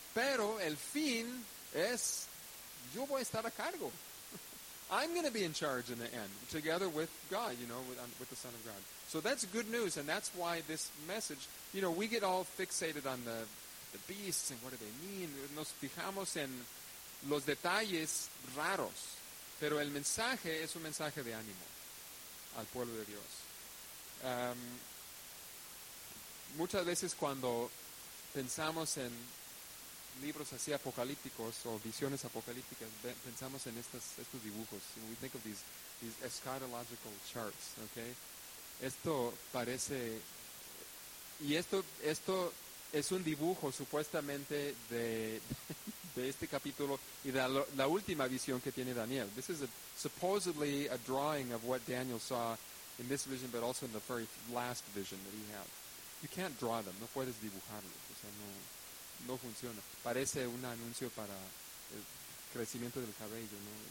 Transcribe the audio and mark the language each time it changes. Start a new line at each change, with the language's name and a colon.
Spanish: Pero el fin es, yo voy a estar a cargo.
English: I'm going to be in charge in the end, together with God, you know, with the Son of God. So that's good news, and that's why this message, you know, we get all fixated on the beasts and what do they mean.
Spanish: Nos fijamos en los detalles raros, pero el mensaje es un mensaje de ánimo al pueblo de Dios. Muchas veces cuando pensamos en libros así apocalípticos o visiones apocalípticas, pensamos en estos dibujos.
English: We think of these eschatological charts, okay?
Spanish: Esto parece, y esto es un dibujo supuestamente de este capítulo y de la última visión que tiene Daniel.
English: This is supposedly a drawing of what Daniel saw in this vision, but also in the very last vision that he had. You can't draw them.
Spanish: No puedes dibujarlos. O sea, no funciona. Parece un anuncio para el crecimiento del cabello, ¿no?